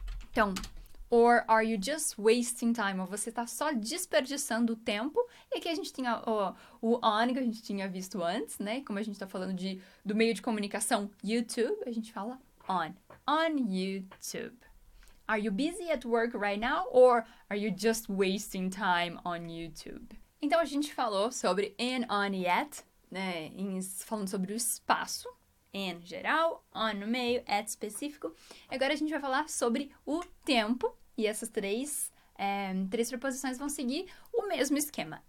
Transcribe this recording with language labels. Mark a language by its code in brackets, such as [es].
[pt] Então, [en] or are you just wasting time? [pt] Ou você está só desperdiçando o tempo? E aqui a gente tem o on, que a gente tinha visto antes, né? Como a gente está falando do meio de comunicação YouTube, a gente fala on. [en] On YouTube. Are you busy at work right now? Or are you just wasting time on YouTube? [pt] Então, a gente falou sobre in, on, yet, né? Falando sobre o espaço. In geral, on no meio, at específico. E agora a gente vai falar sobre o tempo. E essas três preposições vão seguir o mesmo esquema.